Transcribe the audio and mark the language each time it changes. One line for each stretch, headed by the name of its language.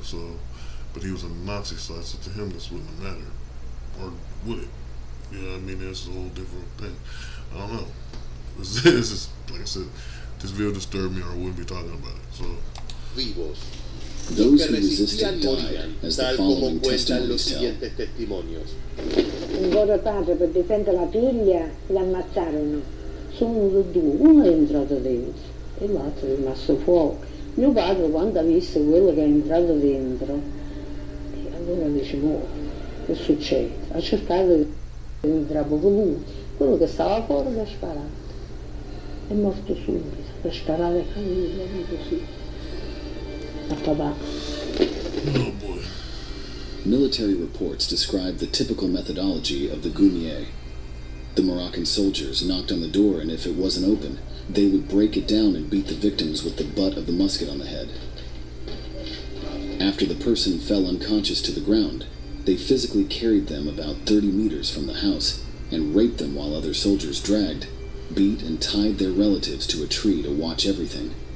English: So, but he was a Nazi, so to him this wouldn't matter, or would it? You know what I mean? That's a whole different thing. I don't know. This is, like I said, this video disturbed me or I wouldn't be talking about it. So,
Spanish: vivos.
English: Those who resisted died, as the following testimonies tell.
Italian: Un buon padre, per difendere la figlia, l'ammazzarono. Sono uno di due. Uno è entrato dentro e l'altro è rimasto fuori. Mio padre, quando ha visto quello che è entrato dentro, e allora dice, che succede? Ha cercato di... entra proprio lui, quello che stava fuori l'ha sparato, è morto subito, l'ha sparato la famiglia, così, a papà.
English: Oh boy. Military reports describe the typical methodology of the Goumier. The Moroccan soldiers knocked on the door, and if it wasn't open, they would break it down and beat the victims with the butt of the musket on the head. After the person fell unconscious to the ground, they physically carried them about 30 meters from the house and raped them while other soldiers dragged, beat, and tied their relatives to a tree to watch everything.